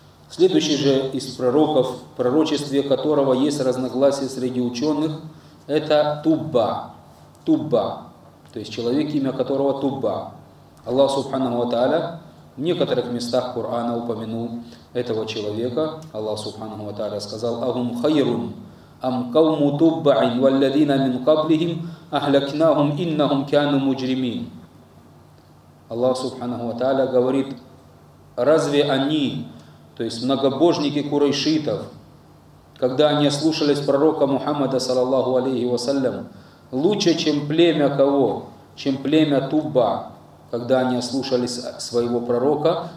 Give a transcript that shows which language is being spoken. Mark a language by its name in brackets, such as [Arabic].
[Russian] Следующий же из пророков, пророчестве которого есть разногласия среди ученых, это Тубба. Тубба. То есть человек, имя которого Тубба. Аллах, субханаху ва тааля, в некоторых местах Корана упомянул этого человека. Аллах, субханаху ва тааля, сказал [Arabic] «Агум хайрун». أم قوم تبع والذين من قبلهم أهلكناهم إنهم كانوا مجرمين. الله سبحانه وتعالى [Russian] говорит, разве они, то есть многобожники курайшитов, когда они ослушались пророка Мухаммада саллаллаху алейхи вассалям, лучше, чем племя кого? Чем племя Тубба, когда они ослушались своего пророка.